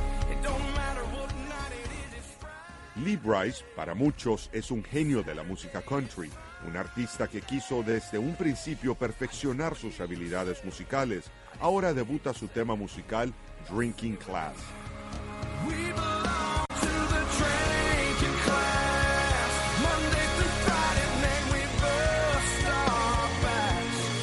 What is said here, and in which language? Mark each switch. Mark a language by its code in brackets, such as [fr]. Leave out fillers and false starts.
[en] It don't matter what night it is, it's Friday. [es] Lee Brice, para muchos, es un genio de la música country. Un artista que quiso desde un principio perfeccionar sus habilidades musicales. Ahora debuta su tema musical, Drinking Class. [en] We belong to the drinking class, Monday through Friday, man, we burst our backs.